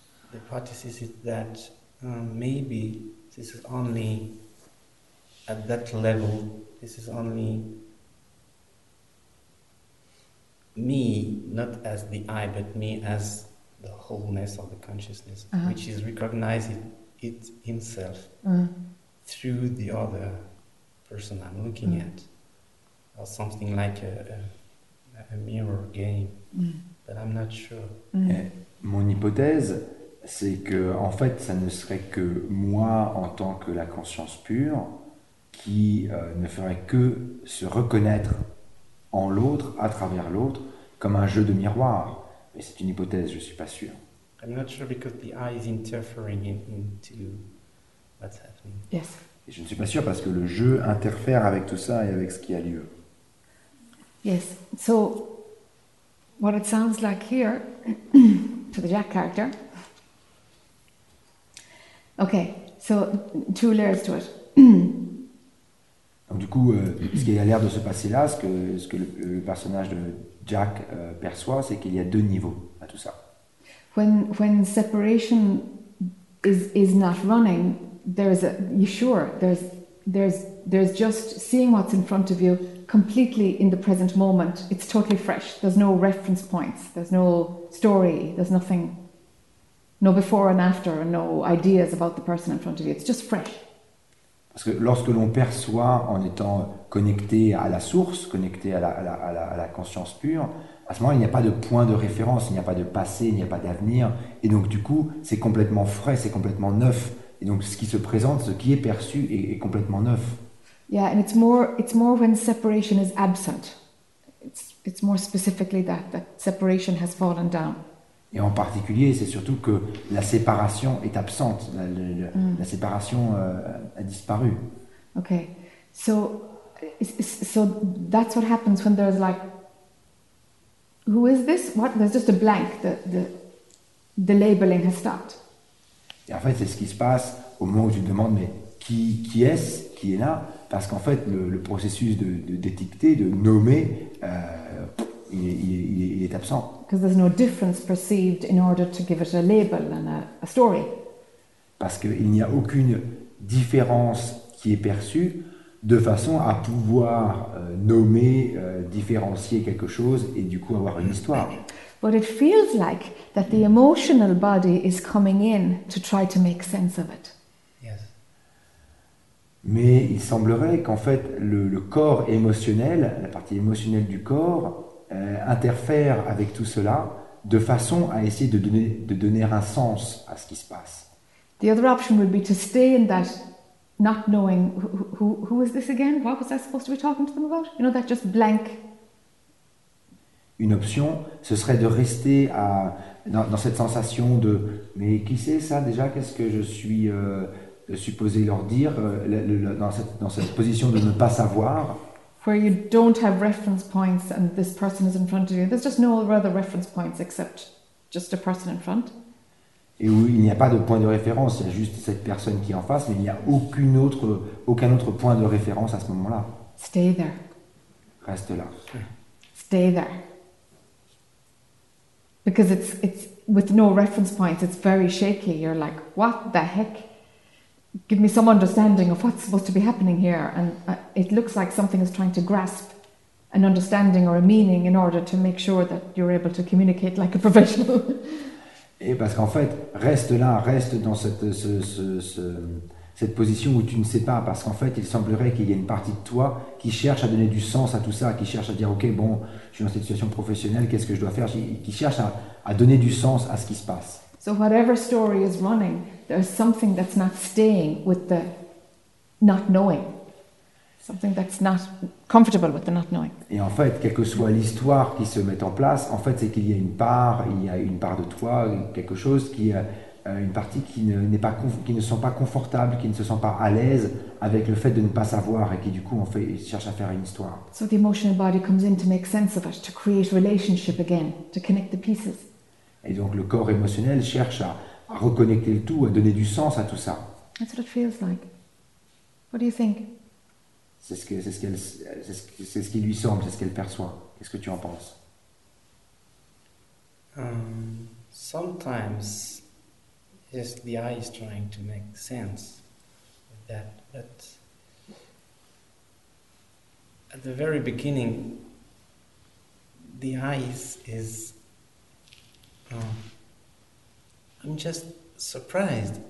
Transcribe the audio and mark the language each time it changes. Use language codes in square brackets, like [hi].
[en] The hypothesis is that maybe this is only at that level, this is only me, not as the I, but me as the wholeness or the consciousness, which is recognizing it himself through the other person I'm looking at, or something like a mirror game. But I'm not sure. [fr] Et mon hypothèse, c'est que en fait, ça ne serait que moi, en tant que la conscience pure, qui ne ferait que se reconnaître en l'autre, à travers l'autre, comme un jeu de miroir. Mais c'est une hypothèse, je ne suis pas sûr. [en] I'm not sure because the eye is interfering into what's happening. Yes. [fr] Et je ne suis pas sûr parce que le jeu interfère avec tout ça et avec ce qui a lieu. [en] Yes. So. What it sounds like here, to the Jack character, Okay, so two layers to it. [fr] Donc du coup, ce qui a l'air de se passer là, ce que le personnage de Jack perçoit, c'est qu'il y a deux niveaux à tout ça. [en] When separation is not running, there's just seeing what's in front of you completely in the present moment. It's totally fresh. There's no reference points. There's no story. There's nothing. No before and after, and no ideas about the person in front of you. It's just fresh. [fr] Parce que lorsque l'on perçoit en étant connecté à la source, connecté à la conscience pure, à ce moment-là, il n'y a pas de point de référence, il n'y a pas de passé, il n'y a pas d'avenir. Et donc, du coup, c'est complètement frais, c'est complètement neuf. Et donc, ce qui se présente, ce qui est perçu, est complètement neuf. [en] Yeah, and it's more when separation is absent. It's more specifically that separation has fallen down. [fr] Et en particulier, c'est surtout que la séparation est absente, la séparation a disparu. [en] Okay, so that's what happens when there's like, who is this? What? There's just a blank. The labeling has stopped. [fr] Et en fait, c'est ce qui se passe au moment où tu te demandes, mais qui est-ce qui est là? Parce qu'en fait, le processus de d'étiqueter, de nommer, il est absent. [en] Because there's no difference perceived in order to give it a label and a story. [fr] Parce qu'il n'y a aucune différence qui est perçue de façon à pouvoir nommer, différencier quelque chose et du coup avoir une histoire. [en] But it feels like that the emotional body is coming in to try to make sense of it. Yes. [fr] Mais il semblerait qu'en fait le corps émotionnel, la partie émotionnelle du corps, interfère avec tout cela de façon à essayer de donner un sens à ce qui se passe. [en] The other option would be to stay in that, not knowing who is this again? What was I supposed to be talking to them about? You know, that just blank. [fr] Une option, ce serait de rester dans cette sensation de mais qui c'est ça déjà? Qu'est-ce que je suis supposé leur dire dans cette position de ne pas savoir? [en] Where you don't have reference points and this person is in front of you. There's just no other reference points except just a person in front. [fr] Et où il n'y a pas de point de référence, il y a juste cette personne qui est en face, mais il n'y a aucun autre point de référence à ce moment-là. [en] Stay there. [fr] Reste là. [en] Stay there. Because it's with no reference points, it's very shaky. You're like, what the heck? Give me some understanding of what's supposed to be happening here. And it looks like something is trying to grasp an understanding or a meaning in order to make sure that you're able to communicate like a professional. [fr] Et parce qu'en fait, reste là, reste dans cette position où tu ne sais pas, parce qu'en fait, il semblerait qu'il y ait une partie de toi qui cherche à donner du sens à tout ça, qui cherche à dire, ok, bon, je suis dans cette situation professionnelle, qu'est-ce que je dois faire, qui cherche à donner du sens à ce qui se passe. [en] So whatever story is running, there's something that's not staying with the not knowing. Something that's not comfortable with the not knowing. [fr] Et en fait, quelle que soit l'histoire qui se met en place, en fait, c'est qu'il y a une part de toi, quelque chose qui est une partie qui ne se sent pas confortable, qui ne se sent pas à l'aise avec le fait de ne pas savoir et qui du coup cherche à faire une histoire. [en] So the emotional body comes in to make sense of it, to create relationship again, to connect the pieces. [fr] Et donc le corps émotionnel cherche à reconnecter le tout, à donner du sens à tout ça. [en] That's what it feels like. What do you think? [fr] C'est ce qui lui semble, c'est ce qu'elle perçoit. Qu'est-ce que tu en penses? [en] Sometimes, yes, the eye is trying to make sense of that, but at the very beginning, the eye is I'm just surprised.